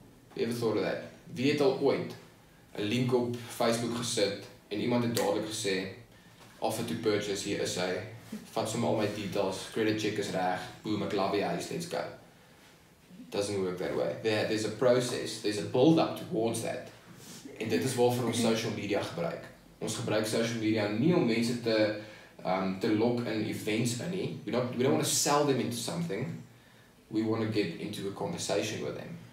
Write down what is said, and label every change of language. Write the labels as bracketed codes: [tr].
[en] Have you ever thought of that? [af] Wie het al ooit a link op Facebook gesit en iemand het dadelijk gesê, [en] offer to purchase, [af] hier is hy, vat som al my details, credit check is reg, boom, ek [en] love your house, let's go. Doesn't work that way. There's a process, there's a build-up towards that. [af] En dit is waarvoor ons social media gebruik. Ons gebruik social media nie om mense te lock in events in nie. [en] We don't want to sell them into something. We want to get into a conversation with them.